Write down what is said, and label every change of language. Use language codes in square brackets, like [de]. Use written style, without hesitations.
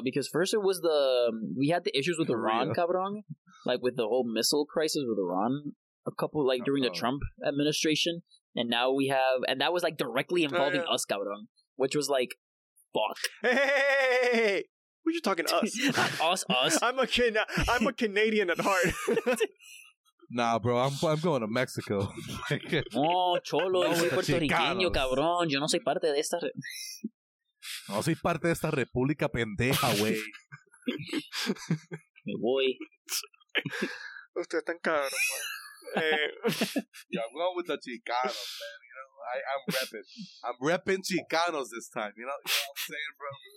[en] Because first it was we had the issues with Korea. Iran, cabrón, like with the whole missile crisis with Iran, during the Trump administration, and now we have, and that was like directly involving us, cabrón, which was like, fuck. Hey, what are you talking to us? us. I'm a Canadian at heart. Nah, bro, I'm going to Mexico. [es] Oh, cholo, yo soy puertorriqueño, cabrón. Yo no soy parte de esta. No soy parte de esta república pendeja, güey. Me voy. Usted está en cabrón, güey. [en] I'm going with the Chicanos, man. You know, I'm repping. I'm repping Chicanos this time. You know what I'm saying, bro?